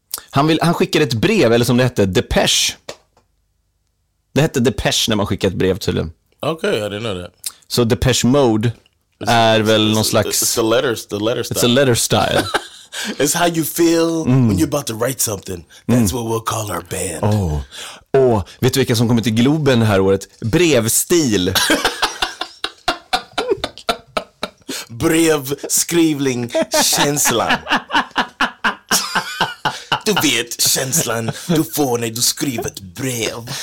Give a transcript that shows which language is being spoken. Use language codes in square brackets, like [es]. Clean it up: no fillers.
[sv] han skickade ett brev, eller som det hette, depeche. Det hette depeche när man skickade ett brev till dem. [en] Okay, I didn't know that. [sv] Så depeche mode är väl någon slags... [en] It's the letter style. It's a letter style. It's how you feel when you're about to write something. That's what we'll call our band. Oh. [sv] Oh, vet du vilka som kommer till Globen det här året? Brevstil. Brevskrivling känslan. Du vet känslan du får när du skriver ett brev.